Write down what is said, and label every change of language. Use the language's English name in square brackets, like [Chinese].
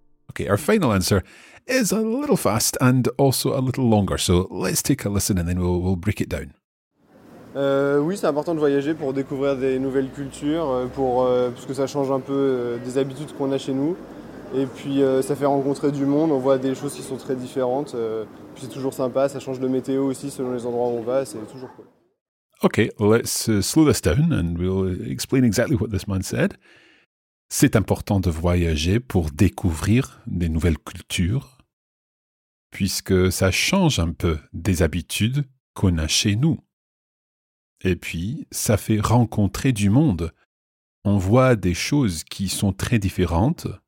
[English] Okay, our final answer is a little fast and also a little longer. So let's take a listen and then we'll break it down. [French] Oui, c'est important de voyager pour découvrir des nouvelles cultures, parce que ça change un peu des habitudes qu'on a chez nous. Et puis ça fait rencontrer du monde, on voit des choses qui sont très différentes. Puis c'est toujours sympa, ça change de météo aussi selon les endroits où on va, c'est toujours cool. [English] Okay, let's slow this down and we'll explain exactly what this man said. [French] C'est important de voyager pour découvrir des nouvelles cultures, puisque ça change un peu des habitudes qu'on a chez nous. Et puis, ça fait rencontrer du monde. On voit des choses qui sont très différentes.